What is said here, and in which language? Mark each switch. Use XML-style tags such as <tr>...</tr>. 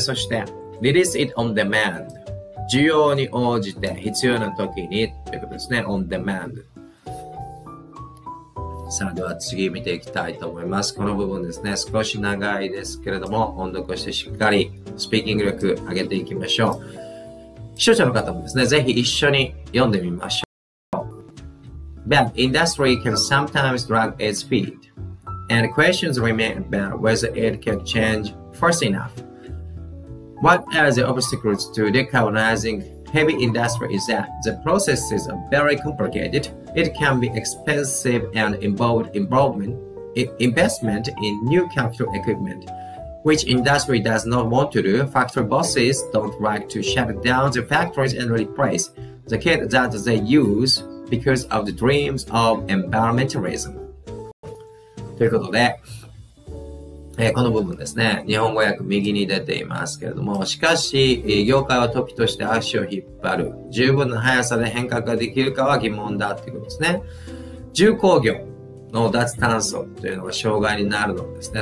<ja>そして</ja> <en>release it on demand</en> <ja>需要に応じて必要な時にということですね。on demand。さあでは次見ていきたいと思います。この部分ですね、少し長いですけれども、音読してしっかりスピーキング力上げていきましょう。視聴者の方もですね、ぜひ一緒に読んでみましょう。</ja> <en>But industry can sometimes drag its feet and questions remain about whether it can change fast enough. What are the obstacles to decarbonizing heavy industry is that the processes are very complicated. It can be expensive and involve investment in new capital equipment. Which industry does not want to do, factory bosses don't like to shut down the factories and replace the kit that they use because of the dreams of environmentalism.</en> <ja>ということで、この部分ですね、日本語訳右に出ていますけれども、しかし、業界は時として足を引っ張る。十分な速さで変革ができるかは疑問だということですね。重工業の脱炭素というのが障害になるのですね。</ja>